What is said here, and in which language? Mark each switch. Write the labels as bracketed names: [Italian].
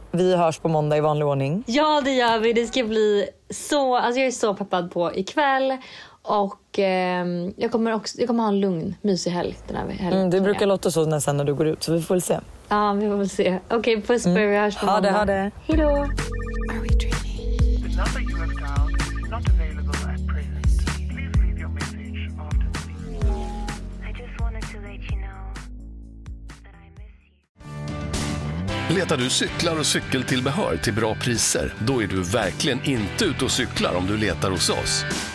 [Swedish] Vi hörs på måndag i vanlig ordning. Ja, det gör vi, det ska bli så. Alltså jag är så peppad på ikväll. Och jag kommer ha en lugn, mysig helg den här helgen. Det brukar låta så nästan när du går ut. Så vi får väl se. Ja, vi får väl se. Okej, puss på er, vi hörs på måndag. Ha det, hejdå. [English] Are we dreaming? It's not that you have found, not available at present. Please leave your message after the beep. I just wanted to let you know that I miss you. [Swedish] Letar du cyklar och cykeltillbehör till bra priser? Då är du verkligen inte ute och cyklar om du letar hos oss.